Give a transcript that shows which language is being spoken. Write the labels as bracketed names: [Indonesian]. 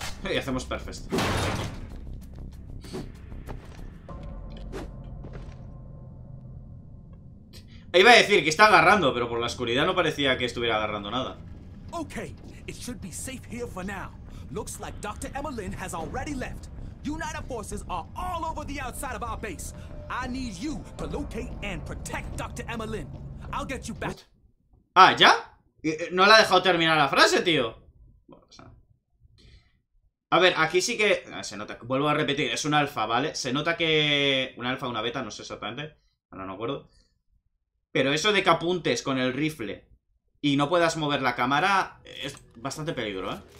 [Spanish] Y hacemos perfect. Iba a decir que está agarrando, pero por la oscuridad no parecía que estuviera agarrando nada. [English] Okay, it should be safe here for now. Looks like Dr. Emmeline has already left. United forces are all over the outside of our base. I need you to locate and protect Dr. Emmeline. I'll get you back. [Spanish] ¿Ah, ya? No la ha dejado terminar la frase, tío. A ver, aquí sí que... se nota, vuelvo a repetir, es un alfa, ¿vale? Se nota que... un alfa, una beta, no sé exactamente. Ahora no me acuerdo. Pero eso de que apuntes con el rifle y no puedas mover la cámara es bastante peligro, ¿eh?